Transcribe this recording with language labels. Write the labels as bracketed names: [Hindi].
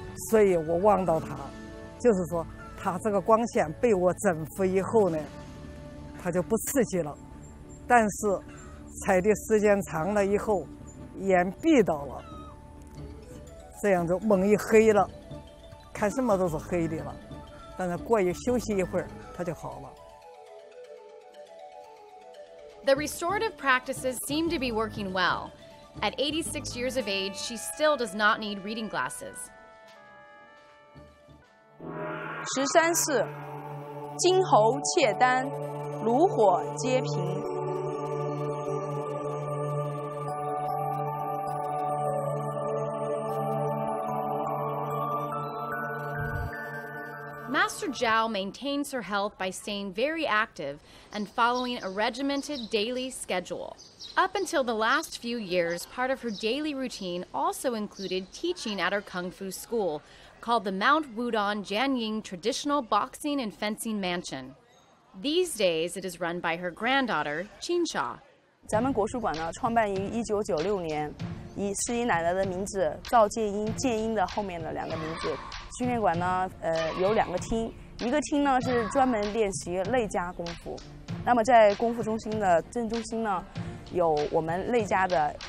[Chinese] 所以我望到它，就是说它这个光线被我征服以后呢，它就不刺激了。但是踩的时间长了以后，眼闭到了，这样就猛一黑了。看什么都是黑的了，但是过一休息一会儿，它就好了。 [English] The restorative practices seem to be working well. At 86 years of age, she still does not need reading glasses. [Chinese] 十三式，金猴切丹，炉火皆平。 [English] Master Zhao maintains her health by staying very active and following a regimented daily schedule. Up until the last few years, part of her daily routine also included teaching at her kung fu school, called the Mount Wudang Jianying Traditional Boxing and Fencing Mansion. These days, it is run by her granddaughter, Qin Sha. [Chinese] 咱们国术馆呢，创办于1996年，是以奶奶的名字赵建英，建英的后面的两个名字。训练馆呢，有两个厅，一个厅呢是专门练习内家功夫，那么在功夫中心的正中心呢，有我们内家的